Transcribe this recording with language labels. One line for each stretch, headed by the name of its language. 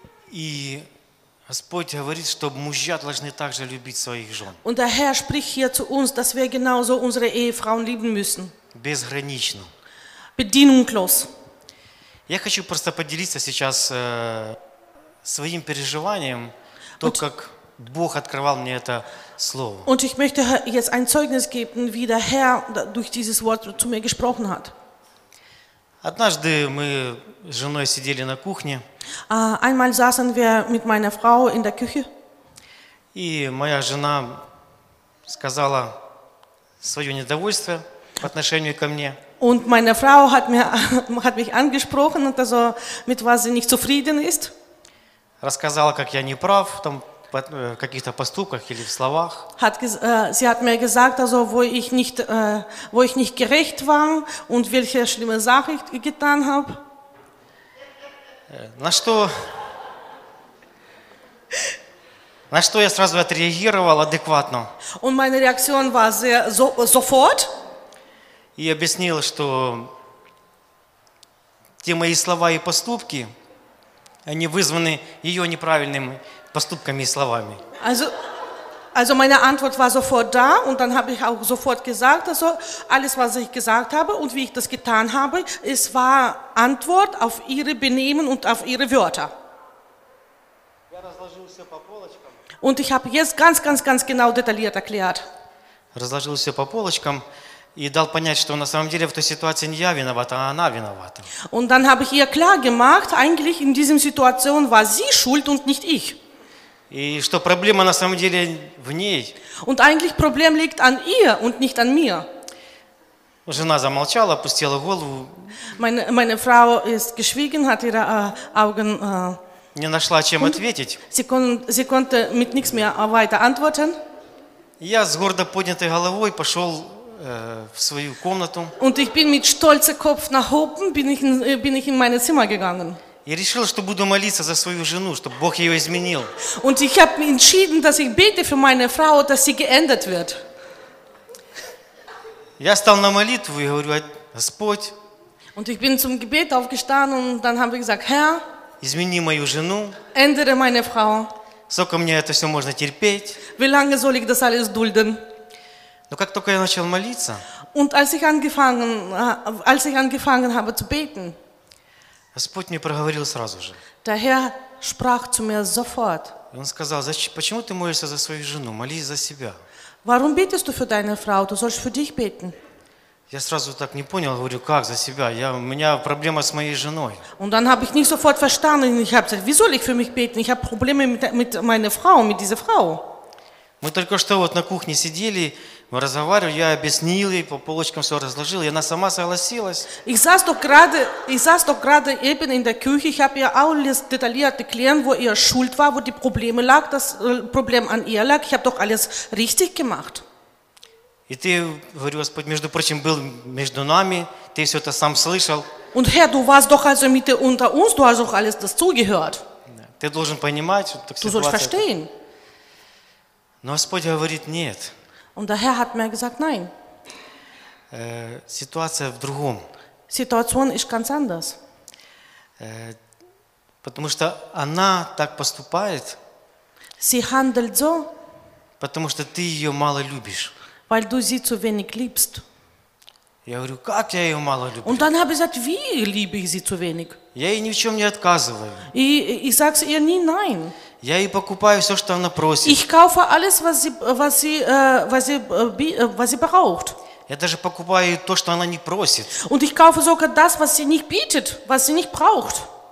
Russian: И Господь говорит, что мужья должны также любить своих жен.
German: Und der Herr spricht hier zu uns, dass wir genauso unsere Ehefrauen lieben müssen.
Russian: Безгранично.
German: Bedingungslos.
Russian: Я хочу просто поделиться сейчас своим переживанием, то, как Бог открывал мне это слово.
German: Und ich möchte jetzt ein Zeugnis geben, wie der Herr durch dieses Wort zu mir gesprochen hat.
Russian: Однажды мы с женой сидели на кухне.
German: Einmal saßen wir mit meiner Frau in der Küche.
Russian: И моя жена сказала свое недовольство по отношению ко мне.
German: Und meine Frau hat mich angesprochen, also mit was sie nicht zufrieden ist.
Russian: Рассказала, как я не прав там в каких-то поступках или в словах.
German: Sie hat mir gesagt, also wo ich nicht gerecht war und welche schlimme Sache ich getan habe.
Russian: На что я сразу отреагировал адекватно.
German: Und meine Reaktion war sofort.
Russian: И объяснил, что те мои слова и поступки, они вызваны ее неправильными поступками и словами.
German: Also meine Antwort war sofort da und dann habe ich auch sofort gesagt, also alles, was ich gesagt habe und wie ich das getan habe, es war Antwort auf ihre Benehmen und auf ihre Wörter. Und ich habe jetzt ganz, ganz, ganz genau detailliert erklärt.
Russian: Разложил все по полочкам и дал понять, что на самом деле в той ситуации не я виноват, а она виновата.
German: Und dann habe ich ihr klar gemacht, eigentlich in dieser Situation war sie schuld und nicht ich.
Russian: И что проблема на самом деле в ней.
German: Und eigentlich Problem liegt an ihr und nicht an mir.
Russian: Жена замолчала, опустила голову.
German: Meine Frau ist geschwiegen, hat ihre Augen...
Russian: Не нашла, чем ответить.
German: Sie konnte mit nichts mehr weiter antworten.
Russian: Я с гордо поднятой головой пошел в свою комнату.
German: Und ich bin mit stolzem Kopf nach oben bin ich in mein Zimmer gegangen.
Russian: Я решил, что буду молиться за свою жену, чтобы Бог ее изменил.
German: Und ich habe entschieden, dass ich bete für meine Frau, dass sie geändert wird.
Russian: Я стал на молитву и говорю: Господь.
German: Und ich bin zum Gebet aufgestanden und dann habe ich gesagt: Herr.
Russian: Измени мою жену.
German: Ändere meine Frau.
Russian: Сколько мне это все можно терпеть?
German: Wie lange soll ich das alles dulden?
Russian: Но как только я начал молиться,
German: und als ich angefangen habe zu beten,
Russian: Господь мне проговорил сразу же.
German: Der Herr sprach zu mir sofort.
Russian: Он сказал: почему ты молишься за свою жену? Молись за себя.
German: Warum betest du für deine Frau? Du sollst für dich beten.
Russian: Я сразу так не понял, говорю: как за себя? У меня проблема с моей женой.
German: Und dann habe ich nicht sofort verstanden. Ich habe gesagt: wie soll ich für mich beten? Ich habe Probleme mit meiner Frau, mit dieser Frau.
Russian: Мы только что вот на кухне сидели, мы разговаривали, я объяснил ей, по полочкам все разложил, и она сама согласилась.
German: Ich saß doch gerade eben in der Küche, ich habe ihr alles detailliert erklärt, wo ihr Schuld war, wo die Probleme lag, das Problem an ihr lag, ich habe doch alles richtig gemacht.
Russian: И ты, говорю: Господь, между прочим, был между нами, ты все это сам слышал.
German: Und Herr, du warst doch also mitten unter uns, du hast doch alles dazugehört.
Russian: Ты должен понимать, что такая ситуация.
German: Du sollst verstehen.
Russian: Но Господь говорит: нет.
German: Und der Herr hat mir gesagt: nein.
Russian: Ситуация в другом.
German: Situation ist ganz anders.
Russian: Потому что она так поступает.
German: Sie handelt so.
Russian: потому что ты ее мало любишь.
German: Weil du sie zu wenig liebst.
Russian: Я говорю, как я ее мало люблю?
German: Und dann habe ich gesagt, wie liebe ich sie zu wenig?
Russian: Я ей ни в чем не отказываю.
German: И sagst ihr nie nein.
Russian: Я ей покупаю все, что она просит.
German: Ich kaufe alles, was sie braucht.
Russian: Я даже покупаю то, что она не просит.
German: Und ich kaufe sogar das, was sie nicht bietet, was sie nicht braucht.